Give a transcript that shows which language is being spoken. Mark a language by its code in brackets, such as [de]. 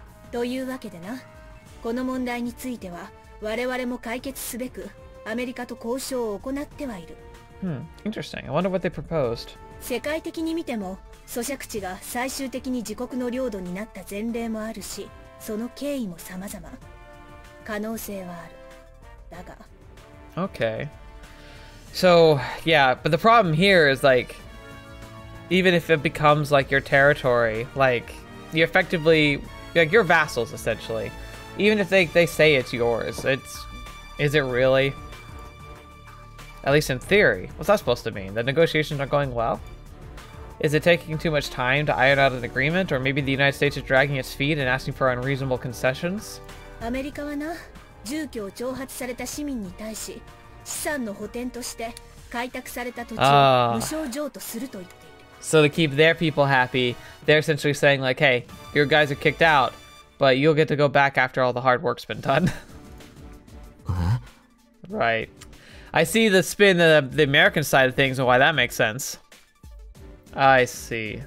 [ja] というわけでな、この問題については我々も解決すべくアメリカと交渉を行ってはいる。 [en] Interesting. I wonder what they proposed. [ja] 世界的に見ても、租借地が最終的に自国の領土になった前例もあるし、その経緯も様々。可能性はある。だが。 [en] Okay. So, yeah, but the problem here is like, even if it becomes like your territory, like you effectively, like your vassals essentially, even if they say it's yours, is it really? At least in theory. What's that supposed to mean? The negotiations aren't going well? Is it taking too much time to iron out an agreement, or maybe the United States is dragging its feet and asking for unreasonable concessions? [ja] アメリカはな、住居を徴発された市民に対し、資産の補填として開拓された土地を無償譲渡すると言っている。 [en] So to keep their people happy, they're essentially saying like, hey, your guys are kicked out, but you'll get to go back after all the hard work's been done. Right. I see the spin of the American side of things and why that makes sense. I see.